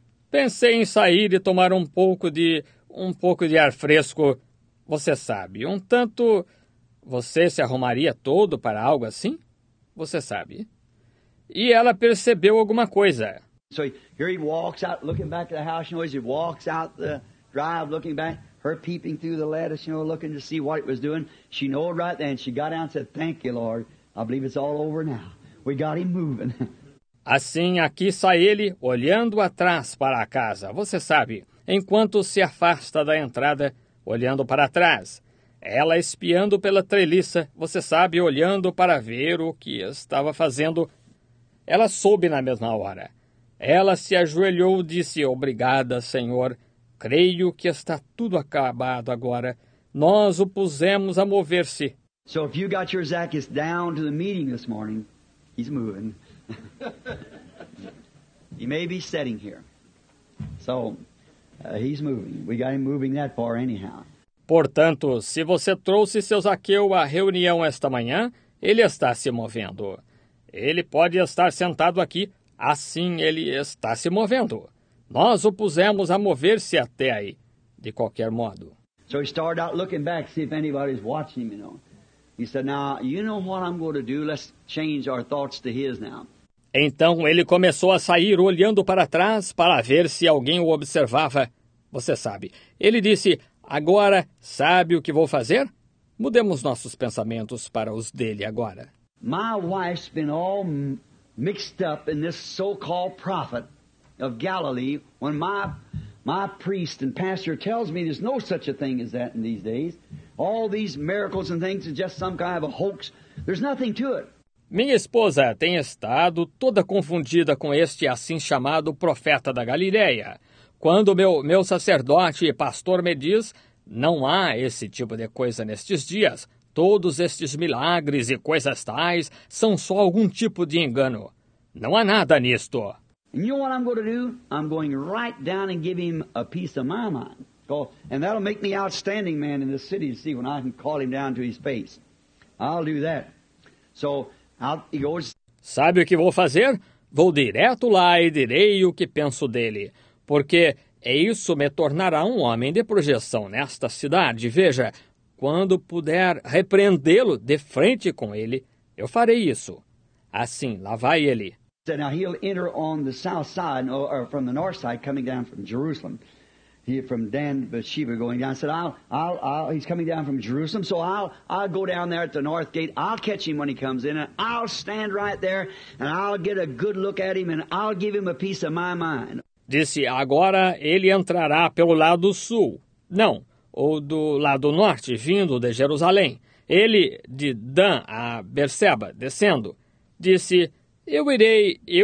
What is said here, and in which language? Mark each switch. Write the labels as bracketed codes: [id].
[pt] Pensei em sair e tomar um pouco de ar fresco. Você sabe, um tanto... Você se arrumaria todo para algo assim? Você sabe. E ela percebeu alguma coisa. [en] So here he walks out, looking back at the house, you know, as he walks out the drive, looking back, her peeping through the lattice, you know, looking to see what it was doing. She knew right then, she got out and said, thank you, Lord. I believe it's all over now. We got him moving. [pt] Assim, aqui sai ele, olhando atrás para a casa, você sabe, enquanto se afasta da entrada, olhando para trás. Ela espiando pela treliça, você sabe, olhando para ver o que estava fazendo. Ela soube na mesma hora. Ela se ajoelhou e disse, obrigada, Senhor. Creio que está tudo acabado agora. Nós o pusemos a mover-se. [en] So if you got your Zacchaeus down to the meeting this morning, he's moving. He may be sitting here. So he's moving. We got him moving that far anyhow. [pt] Portanto, se você trouxe seu Zaqueu à reunião esta manhã, ele está se movendo. Ele pode estar sentado aqui, assim ele está se movendo. Nós o pusemos a mover-se até aí, de qualquer modo. [en] So he started out looking back to see if anybody's watching him, you know. He said, now, you know what I'm going to do? Let's change our thoughts to his now. [pt] Então ele começou a sair olhando para trás para ver se alguém o observava. Você sabe. Ele disse, agora, sabe o que vou fazer? Mudemos nossos pensamentos para os dele agora. [en] My wife's been all mixed up in this so-called prophet of Galilee when my priest and pastor tells me there's no such a thing as that in these days. All these miracles and things are just some kind of a hoax. There's nothing to it. [pt] Minha esposa tem estado toda confundida com este assim chamado profeta da Galileia. Quando meu sacerdote e pastor me diz, não há esse tipo de coisa nestes dias. Todos estes milagres e coisas tais são só algum tipo de engano. Não há nada nisto. [en] And you know what I'm going to do? I'm going right down and give him a piece of my mind. And that'll make me outstanding man in the city to see when I can call him down to his face. I'll do that. So, he goes... [pt] Sabe o que vou fazer? Vou direto lá e direi o que penso dele. Porque isso me tornará um homem de projeção nesta cidade. Veja, quando puder repreendê-lo de frente com ele, eu farei isso. Assim, lá vai ele. [en] Now he'll enter on the south side, or from the north side, coming down from Jerusalem. From Dan Bathsheba going down. I said, he's coming down from Jerusalem, so I'll go down there at the north gate. I'll catch him when he comes in, and I'll stand right there, and I'll get a good look at him, and I'll give him a piece of my mind. [pt] Disse, agora ele entrará pelo lado sul. Não, ou do lado norte, vindo de Jerusalém. Ele, de Dan a Berseba, descendo. Disse, eu irei.